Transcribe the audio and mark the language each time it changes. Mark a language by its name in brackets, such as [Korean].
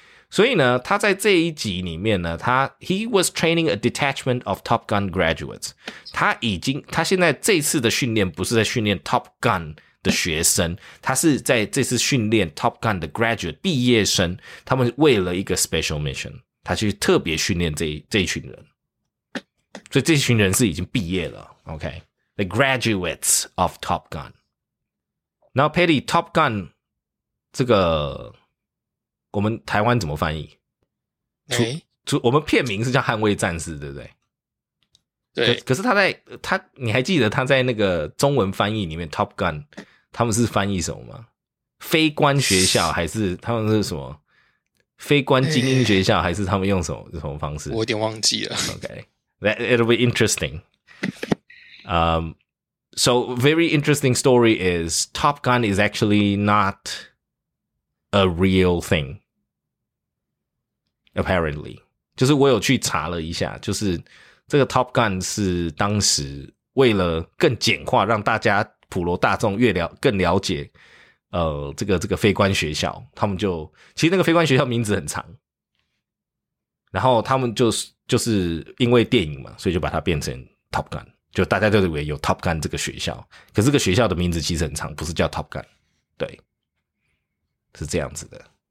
[Chinese] 所以呢他在这一集里面呢他 [English] he was training a detachment of Top Gun graduates. [Chinese] 他现在这次的训练不是在训练 Top Gun的学生，他是在这次训练 Top Gun 的 graduate 毕业生，他们为了一个 [English] special mission， [Chinese] 他去特别训练这一群人，所以这群人是已经毕业了。 [English] OK， the graduates of Top Gun。 Now Patty， Top Gun [Chinese] 这个我们台湾怎么翻译？我们片名是叫《捍卫战士》，对不对？对，可是他你还记得他在那个中文翻译里面 Top Gun 他们是翻译什么吗？非官学校还是他们是什么非官精英学校，还是他们用什么方式？我有点忘记了。 [English] OK, that it'll be interesting. So very interesting story is Top Gun is actually not a real thing. [Chinese] Apparently, 就是我有去查了一下，就是这个 Top Gun 是当时为了更简化，让大家普罗大众更了解，这个非官学校，他们就其实那个非官学校名字很长，然后他们就是因为电影嘛，所以就把它变成 Top Gun， 就大家就以为有 Top Gun 这个学校，可是这个学校的名字其实很长，不是叫 Top Gun， 对，是这样子的。